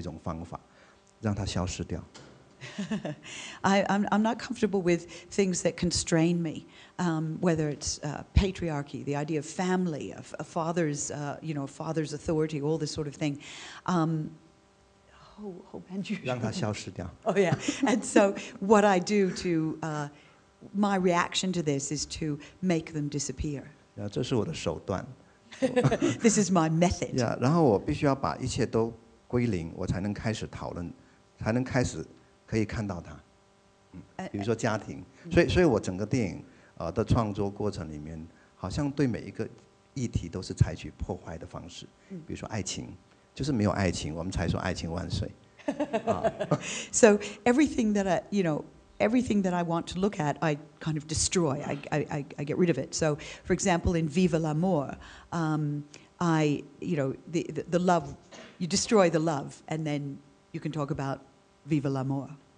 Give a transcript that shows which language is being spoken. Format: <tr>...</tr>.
<zh>所以我自己对很多对我有约束的东西我都很怀疑，包括我的父亲，包括父权，包括家庭，好，包括很多价值观，我都觉得很约束我。可是我要处理，我想面对这些事情的时候，这些问题的时候，透过创作的时候，我通常采取一种方法，让它消失掉。</zh> <en>I'm not comfortable with things that constrain me, whether it's patriarchy, the idea of family, of a father's, father's authority, all this sort of thing. Oh, yeah. And so what I do to my reaction to this is to make them disappear. This is my method. Yeah,</en> <zh>可以看到它，比如说家庭，所以我整个电影的创作过程里面，好像对每一个议题都是采取破坏的方式，比如说爱情，就是没有爱情，我们才说爱情万岁。</zh> <en>So everything that everything that I want to look at, I kind of destroy. I get rid of it. So, for example, in Viva l'amour, the love, you destroy the love, and then you can talk about Viva l'amour.</en>